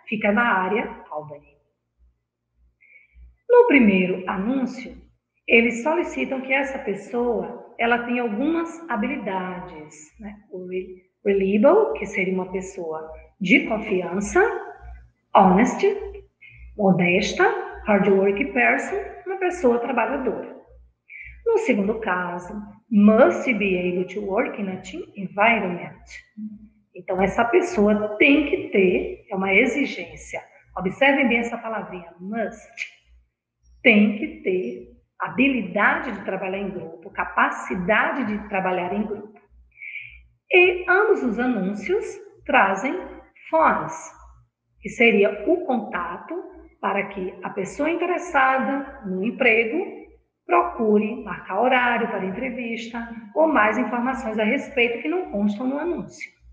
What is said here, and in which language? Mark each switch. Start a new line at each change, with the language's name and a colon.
Portuguese: Fica na área Albany. No primeiro anúncio, eles solicitam que essa pessoa ela tem algumas habilidades, né? O reliable, que seria uma pessoa de confiança, honest, modesta,
English: hardworking person,
Portuguese: uma pessoa trabalhadora. No segundo caso,
English: must be able to work in a team environment.
Portuguese: Então, essa pessoa tem que ter, é uma exigência. Observem bem essa palavrinha, must. Tem que ter habilidade de trabalhar em grupo, capacidade de trabalhar em grupo. E ambos os anúncios trazem forms, que seria o contato para que a pessoa interessada no emprego procure marcar horário para entrevista ou mais informações a respeito que não constam no anúncio.